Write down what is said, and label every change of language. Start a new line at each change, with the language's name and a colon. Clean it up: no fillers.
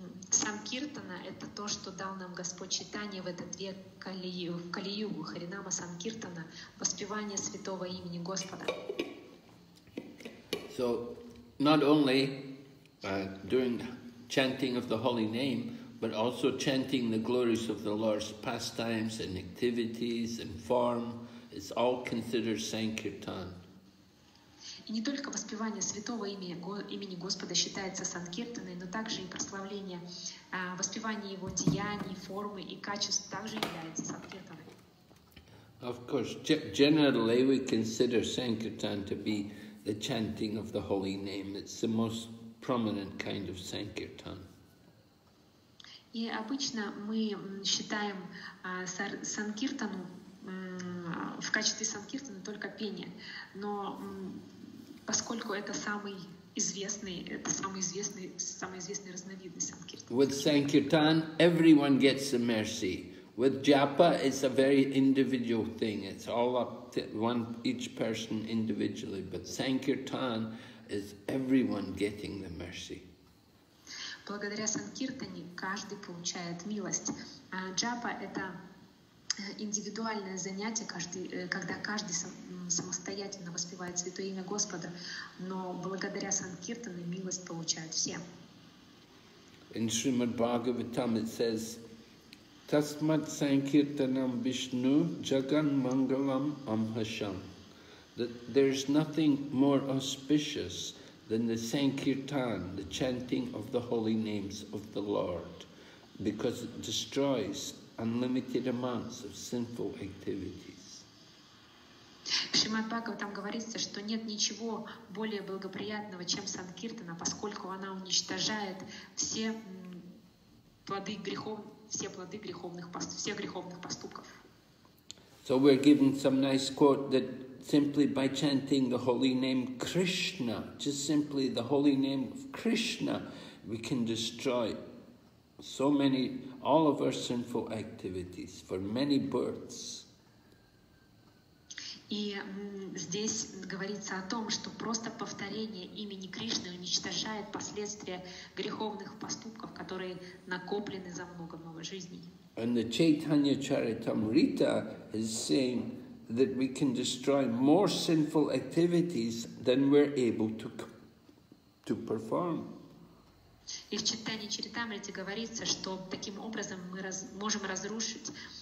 Russian: Санкиртана – это то, что дал нам Господь Чайтанья в этот век Кали-Югу, Харинама Санкиртана, воспевание святого имени Господа.
English: So, not only during chanting of the holy name, but also chanting the glories of the Lord's pastimes and activities and form, it's all considered Sankirtan.
Russian: И не только воспевание святого имени Господа считается санкиртаной, но также и прославление, воспевание его деяний, формы и качеств также является санкиртаной.
English: Of course, generally we consider sankirtan to be the chanting of the holy name. It's the most prominent kind of sankirtan.
Russian: И обычно мы считаем санкиртану в качестве санкиртана только пение, но поскольку это самый известный разновидность санкиртана.
English: With Sankirtan, everyone gets the mercy. With Japa, it's a very individual thing. It's all up to one, each person individually. But Sankirtan is everyone getting the mercy.
Russian: Благодаря Санкиртане каждый получает милость. А Джапа — это индивидуальное занятие, когда каждый самостоятельно воспевает святое имя Господа, но благодаря Санкиртану милость получают все.
English: In Srimad Bhagavatam it says,
Sanskrit: Tasmat Sankirtanam Vishnu Jagan Mangalam Amhasham.
English: That there is nothing more auspicious than the Sankirtan, the chanting of the holy names of the Lord, because it destroys unlimited amounts of sinful activities.
Russian: Шримад-Бхагаватам говорится, что нет ничего более благоприятного, чем Санкиртана, поскольку она уничтожает все плоды грехов, все плоды греховных, все греховных поступков.
English: So we're given some nice quote that simply by chanting the holy name Krishna, just simply the holy name of Krishna, we can destroy so many, all of our sinful activities for many births.
Russian: И здесь говорится о том, что просто повторение имени Кришны уничтожает последствия греховных поступков, которые накоплены за много-много жизней.
English: And the Chaitanya Charitamrita is saying that we can destroy more sinful activities than we're able to perform.
Russian: И в Чайтанье Чаритамрите говорится, что таким образом мы можем разрушить...